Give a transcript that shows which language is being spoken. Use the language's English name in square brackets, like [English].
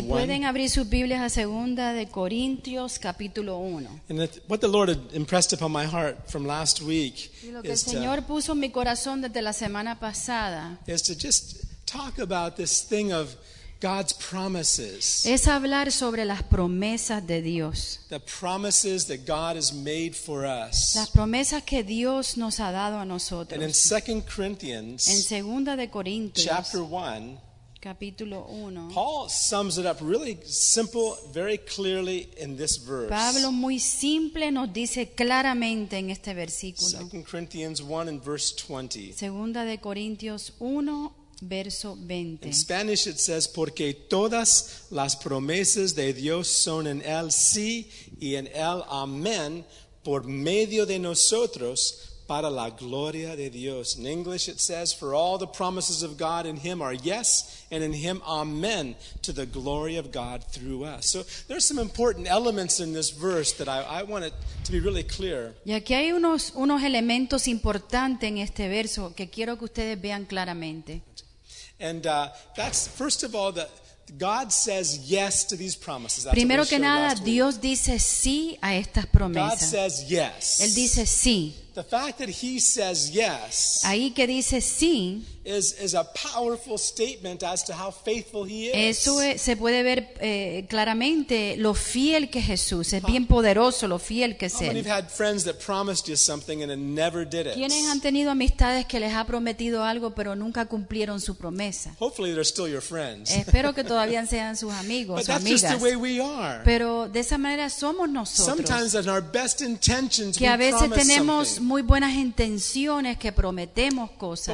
[Spanish] Si pueden abrir sus Biblias a Segunda de Corintios, capítulo 1. [English] And what the Lord had impressed upon my heart from last week is to just talk about this thing of God's promises. [Spanish] Es hablar sobre las promesas de Dios. [English] The promises that God has made for us. [Spanish] Las promesas que Dios nos ha dado a nosotros. [English] And in 2 Corinthians, [Spanish] en Segunda de Corintios, [English] chapter 1, [Spanish] capítulo 1, [English] Paul sums it up really simple, very clearly in this verse. [Spanish] Pablo muy simple nos dice claramente en este versículo. [English] 2 Corinthians 1 and verse 20. [Spanish] Segunda de Corintios 1, verso 20. [English] In Spanish it says, [Spanish] porque todas las promesas de Dios son en él sí y en él amén por medio de nosotros para la gloria de Dios. [English] In English it says, for all the promises of God in him are yes and in him amen to the glory of God through us. So there's some important elements in this verse that I want it to be really clear. [Spanish] Y aquí hay unos elementos importantes en este verso que quiero que ustedes vean claramente. [English] And that's, first of all, that God says yes to these promises. That's [Spanish] primero que nada, Dios dice sí a estas promesas. [English] God says yes. [Spanish] Él dice sí. [English] The fact that he says yes, [Spanish] ahí que dice sí, [English] is a powerful statement as to how faithful he is. [Spanish] Eso se puede ver claramente lo fiel que Jesús es, bien poderoso lo fiel que es. [English] How many have had friends that promised you something and never did it? [Spanish] ¿Quiénes han tenido amistades que les ha prometido algo pero nunca cumplieron su promesa? [English] Hopefully they're still your friends. [Spanish] Espero que todavía sean sus amigos, sus amigas. [English] But that's just the way we are. [Spanish] Pero de esa manera somos nosotros. [English] Sometimes in our best intentions [Spanish] que a veces tenemos muy buenas intenciones que prometemos cosas.